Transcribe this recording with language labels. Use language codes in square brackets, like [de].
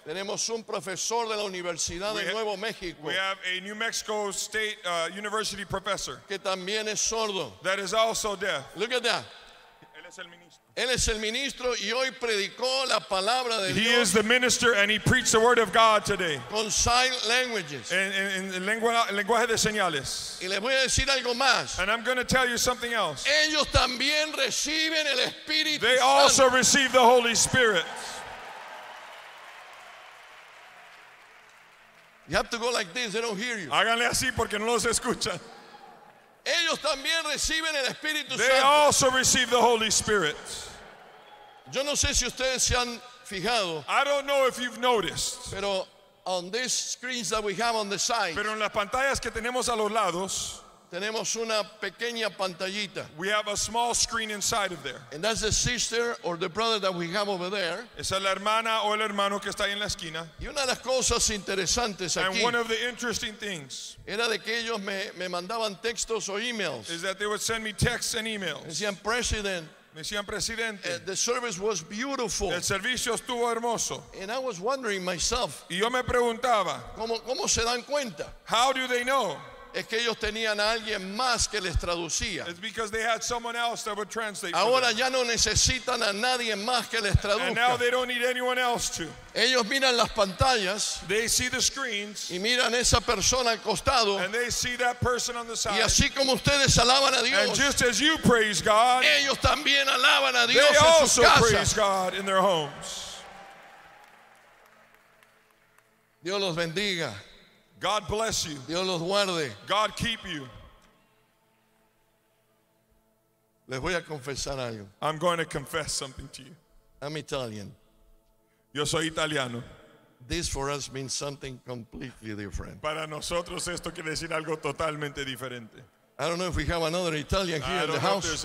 [es] Tenemos un profesor de la Universidad de Nuevo México. [en] We have a New Mexico State University professor. [es] Que también es sordo. [en] That is also deaf. Look at that. [es] Él es el ministro. Él es el ministro y hoy predicó la palabra de Dios. [en] He is the minister and he preached the word of God today. [es] Con [en] sign languages. [es] En lenguaje de señales. Y les voy a decir algo más. [en] And I'm going to tell you something else. [es] Ellos también reciben el Espíritu Santo. [en] They also receive the Holy Spirit. You have to go like this, they don't hear you. [es] Háganle así porque no los escuchan. Ellos también reciben el Espíritu Santo. [en] They also receive the Holy Spirit. [es] Yo no sé si ustedes se han fijado. [en] I don't know if you've noticed. [es] Pero [en] on these screens that we have on the side. [es] Pero en las pantallas que tenemos a los lados. Tenemos una pequeña pantallita. [en] We have a small screen inside of there. And that's the sister or the brother that we have over there. [es] Esa es la hermana o el hermano que está ahí en la esquina. Y una de las cosas interesantes aquí. [en] And one of the interesting things. [es] Era de que ellos me mandaban textos o emails. [en] Is that they would send me texts and emails. [es] Decían, President. Me decían, Presidente. [en] The service was beautiful. [es] El servicio estuvo hermoso. [en] And I was wondering myself. [es] Y yo me preguntaba. ¿Cómo se dan cuenta? [en] How do they know? [es] Es que ellos tenían a alguien más que les traducía. [en] It's because they had someone else that would translate. [es] Ahora ya no necesitan a nadie más que les traduzca. [en] And now they don't need anyone else to. [es] Ellos miran las pantallas. [en] They see the screens. [es] Y miran esa persona al costado. [en] And they see that person on the side. [es] Y así como ustedes alaban a Dios. [en] And just as you praise God. [es] Ellos también alaban a Dios en sus casas. [en] They also praise God in their homes. [es] Dios los bendiga. [en] God bless you. [es] Dios los guarde. [en] God keep you. [es] Les voy a confesar algo. [en] I'm going to confess something to you. I'm Italian. [es] Yo soy italiano. [en] This for us means something completely different. [es] Para nosotros esto quiere decir algo totalmente diferente. [en] I don't know if we have another Italian here in the house.